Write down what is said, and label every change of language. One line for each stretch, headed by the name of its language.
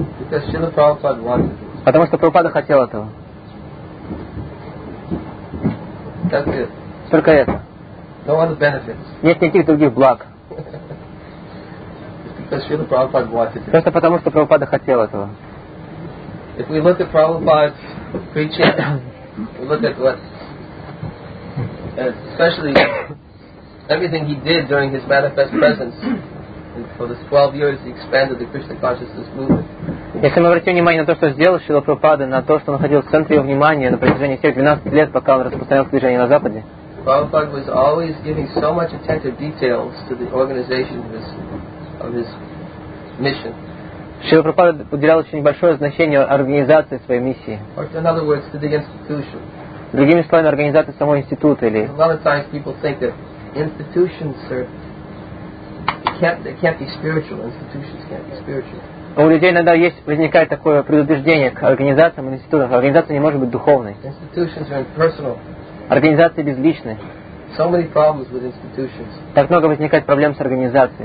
Russian: Потому что Прабхупада хотел этого. Только это.
English: No other benefits.
Russian: Нет никаких других благ. Просто потому, что Прабхупада хотел этого.
English: If we look at Prabhupada's preaching, we look at what, especially everything he did during his manifest presence, for the 12 years he expanded the Krishna consciousness movement.
Russian: Если мы обратим внимание на то, что сделал Шрила Прабхупада, на то, что он находил в центре его внимания на протяжении всех 12 лет, пока он распространял движение на Западе,
English: Prabhupada was always giving so much attentive details to the organization of his mission.
Russian: Шрила Прабхупада уделял очень большое значение организации своей миссии.
English: Or in other words, to the institution.
Russian: Другими словами, организации самого института или.
English: A lot of times people think that institutions are they can't be spiritual. Institutions can't be spiritual.
Russian: У людей иногда есть, возникает такое предубеждение к организациям и институтам. Организация не может быть духовной.
English: Institutions are impersonal.
Russian: Организации безличны.
English: So many problems with institutions.
Russian: Так много возникает проблем с организацией.